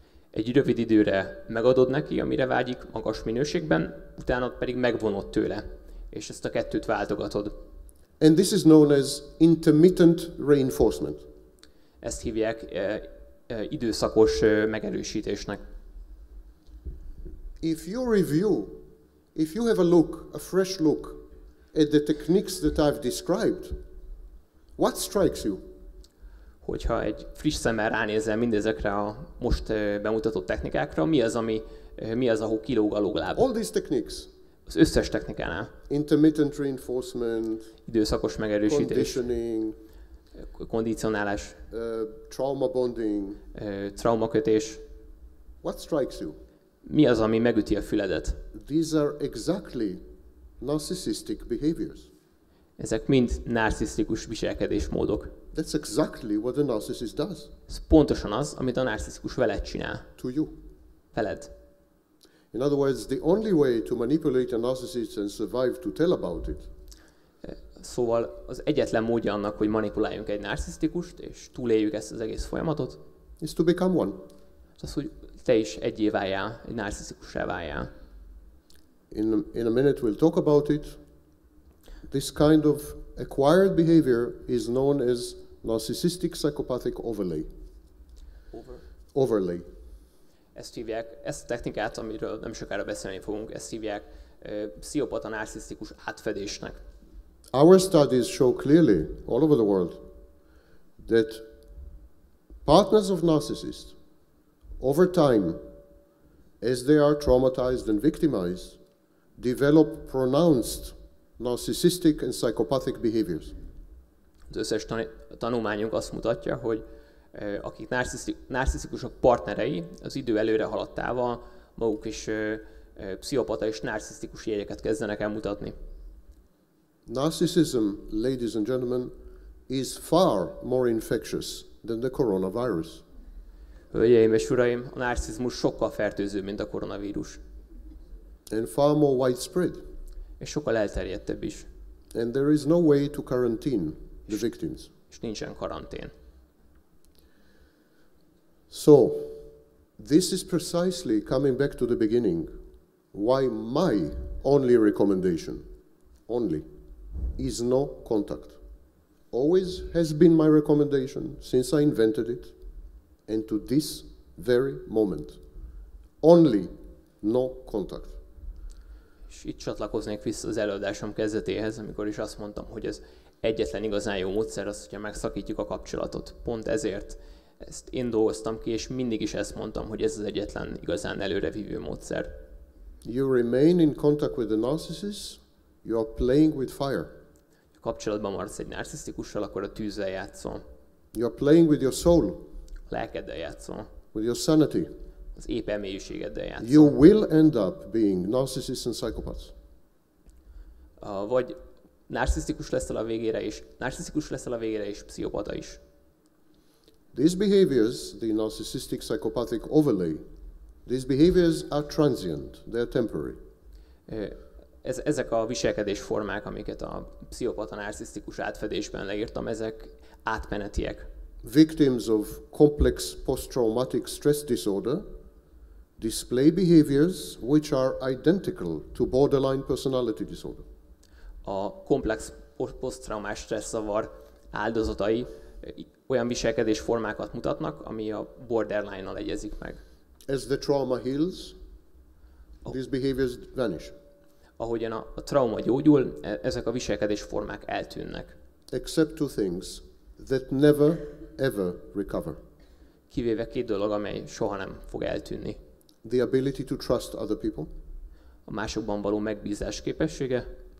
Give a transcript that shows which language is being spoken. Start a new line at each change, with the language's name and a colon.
Hungarian: Egy rövid időre megadod neki, amire vágyik, magas minőségben, utána pedig megvonod tőle, és ezt a kettőt váltogatod.
English: And this is known as intermittent reinforcement.
Hungarian: Ezt hívják időszakos megerősítésnek.
English: If you review, if you have a look, a fresh look at the techniques that I've described, what strikes you?
Hungarian: Hogyha egy friss szemmel ránézel mindezekre a most bemutatott technikákra, mi az, ahol kilóg a lógláb?
English: All these techniques.
Hungarian: Az összes technikánál.
English: Intermittent reinforcement.
Hungarian: Időszakos megerősítés.
English: Conditioning.
Hungarian: Kondicionálás.
English: Trauma bonding.
Hungarian: Traumakötés.
English: What strikes you?
Hungarian: Mi az, ami megüti a füledet?
English: These are exactly narcissistic behaviors.
Hungarian: Ezek mind narcisztikus viselkedésmódok.
English: That's exactly what the narcissist does.
Hungarian: Ez pontosan az, amit a narcisztikus veled csinál.
English: To you.
Hungarian: Veled.
English: In other words, the only way to manipulate a narcissist and survive to tell about it.
Hungarian: Szóval az egyetlen módja annak, hogy manipuláljunk egy narcisztikust és túléljük ezt az egész folyamatot.
English: Is to become one.
Hungarian: Az, hogy te is egyé váljál, egy narcisztikussá váljál.
English: In a minute we'll talk about it. This kind of acquired behavior is known as narcissistic psychopathic overlay. Overlay.
Hungarian: Ezt hívják, ezt a technikát, amiről nem sokára beszélni fogunk, ezt hívják pszichopata narcisztikus átfedésnek.
English: Our studies show clearly all over the world that partners of narcissists over time, as they are traumatized and victimized, develop pronounced narcissistic and psychopathic behaviors.
Hungarian: Az összes tanulmányunk azt mutatja, hogy akik narcisztikusok partnerei, az idő előre haladtával maguk is pszichopata és narcisztikus jegyeket kezdenek el mutatni.
English: Narcissism, ladies and gentlemen, is far more infectious than the coronavirus.
Hungarian: Hölgyeim és uraim, a narcizmus sokkal fertőzőbb, mint a koronavírus.
English: And far more widespread.
Hungarian: És sokkal elterjedtebb is.
English: And there is no way to quarantine the victims.
Hungarian: És nincsen karantén.
English: So, this is precisely coming back to the beginning, why my only recommendation, only, is no contact. Always has been my recommendation since I invented it, and to this very moment, only no contact.
Hungarian: És itt csatlakoznék vissza az előadásom kezdetéhez, amikor is azt mondtam, hogy ez egyetlen igazán jó módszer az, hogyha megszakítjuk a kapcsolatot. Pont ezért ezt én dolgoztam ki, és mindig is ezt mondtam, hogy ez az egyetlen igazán előrevívő módszer.
English: You remain in contact with the narcissist, you are playing with fire.
Hungarian: Ha kapcsolatban maradsz egy narcisztikussal, akkor a tűzzel játszol.
English: You are playing with your soul.
Hungarian: A lelkeddel játszol.
English: With your sanity.
Hungarian: Az épp elmélyűségeddel játszol.
English: You will end up being narcissists and psychopaths.
Hungarian: Vagy narcisztikus leszel a végére is, pszichopata is.
English: These behaviors, the narcissistic psychopathic overlay, these behaviors are transient, they are temporary.
Hungarian: Ezek a viselkedés formák, amiket a pszichopata narcisztikus átfedésben leírtam, ezek átmenetiek.
English: Victims of complex post-traumatic stress disorder display behaviors which are identical to borderline personality disorder.
Hungarian: A komplex posztraumás stressz zavar áldozatai olyan viselkedés formákat mutatnak, ami a borderline-nal egyezik meg.
English: As the trauma heals, these behaviors vanish.
Hungarian: Ahogyan a trauma gyógyul, ezek a viselkedés formák eltűnnek.
English: Except two things that never ever recover.
Hungarian: Kivéve két dolog, amely soha nem fog eltűnni.
English: The ability to trust other people.
Hungarian: A másokban való megbízás képessége.